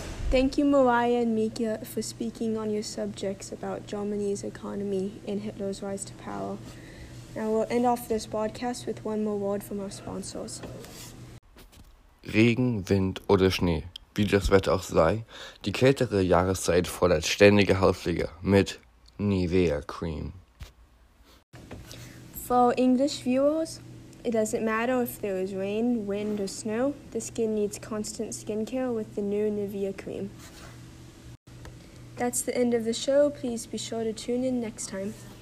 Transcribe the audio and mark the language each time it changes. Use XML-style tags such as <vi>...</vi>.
<en>Thank you, Mariah and Mika, for speaking on your subjects about Germany's economy and Hitler's rise to power. Now we'll end off this podcast with one more word from our sponsors.</en> <de>Regen, Wind oder Schnee, wie das Wetter auch sei, die kältere Jahreszeit fordert ständige Hautpflege mit Nivea Cream.</de> <en>For English viewers, it doesn't matter if there is rain, wind, or snow, the skin needs constant skincare with the new Nivea cream. That's the end of the show. Please be sure to tune in next time.</en>